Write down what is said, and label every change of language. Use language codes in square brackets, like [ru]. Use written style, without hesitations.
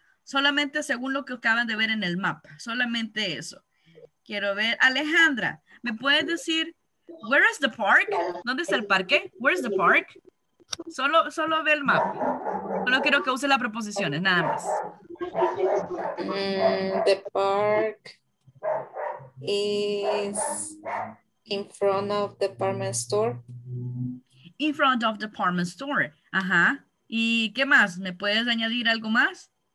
[es] Solamente según lo que acaban de ver en el mapa. Solamente eso. Quiero ver. Alejandra, ¿me puedes decir [en] where is the park? [es] ¿Dónde está el parque? [en] Where is the park? [es] Solo ve el mapa. Solo quiero que use las preposiciones, nada más. [en] The park is in front of the department store. In front of the department store. Ajá. [es] ¿Y qué más? ¿Me puedes añadir algo más?